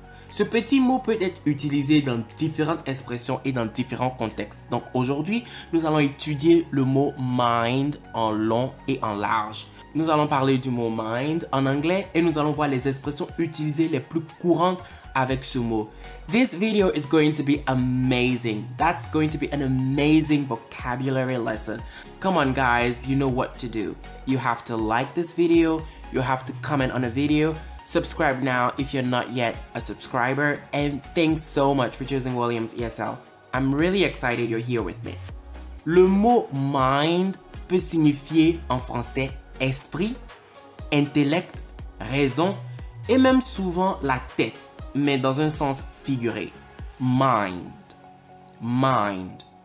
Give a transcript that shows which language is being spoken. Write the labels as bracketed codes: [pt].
[fr] Ce petit mot peut être utilisé dans différentes expressions et dans différents contextes. Donc aujourd'hui, nous allons étudier le mot mind en long et en large. Nous allons parler du mot mind en anglais et nous allons voir les expressions utilisées les plus courantes avec ce mot. [en] This video is going to be amazing. That's going to be an amazing vocabulary lesson. Come on guys, you know what to do. You have to like this video, you have to comment on a video. Subscribe now if you're not yet a subscriber. And thanks so much for choosing Williams ESL. I'm really excited you're here with me. [fr] Le mot mind peut signifier en français esprit, intellect, raison et même souvent la tête, mais dans un sens figuré. Mind. Mind.